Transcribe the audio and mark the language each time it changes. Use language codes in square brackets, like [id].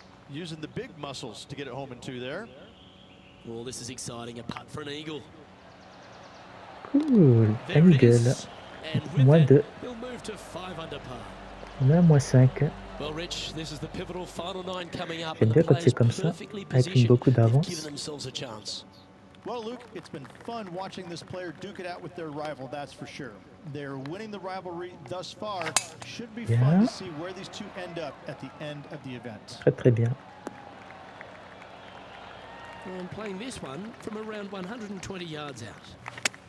[en] Using the big muscles to get it home in two there. Well, this is exciting. A putt for an eagle. [fr] Cool. Un eagle. Moins deux. [en] He'll move to five under par. [fr] On a moins cinq. [en] Well, Rich, this is the pivotal final nine coming up. [fr] J'aime bien quand c'est comme ça, avec une beaucoup d'avance. [en] Given themselves a chance. Well, Luke, it's been fun watching this player duke it out with their rival, that's for sure. They're winning the rivalry thus far. Should be fun to see where these two end up at the end of the event. [fr] Très, très bien. [en] And playing this one from around 120 yards out.